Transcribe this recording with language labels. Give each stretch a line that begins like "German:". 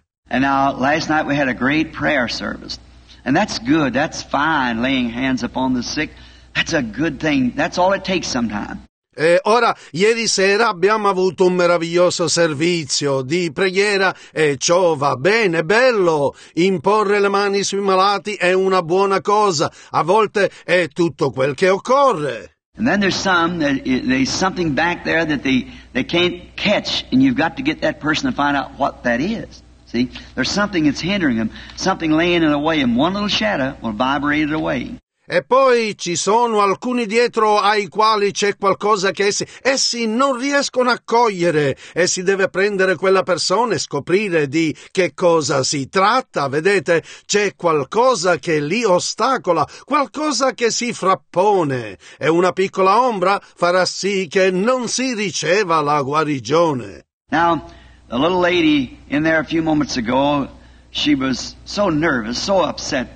English: And now, last night we had a great prayer service. And that's good, that's fine, laying hands upon the sick. That's a good thing, that's all it takes sometimes.
Italian: E ora, ieri sera abbiamo avuto un meraviglioso servizio di preghiera e ciò va bene, bello. Imporre le mani sui malati è una buona cosa. A volte è tutto quel che occorre.
English: And then there's some that there's something back there that they can't catch, and you've got to get that person to find out what that is. See, there's something that's hindering them, something laying in the way, and one little shadow will vibrate it away.
Italian: E poi ci sono alcuni dietro ai quali c'è qualcosa che essi non riescono a cogliere, e si deve prendere quella persona e scoprire di che cosa si tratta. Vedete, c'è qualcosa che li ostacola, qualcosa che si frappone, e una piccola ombra farà sì che non si riceva la guarigione.
English: Now, the little lady in there a few moments ago, she was so nervous, so upset.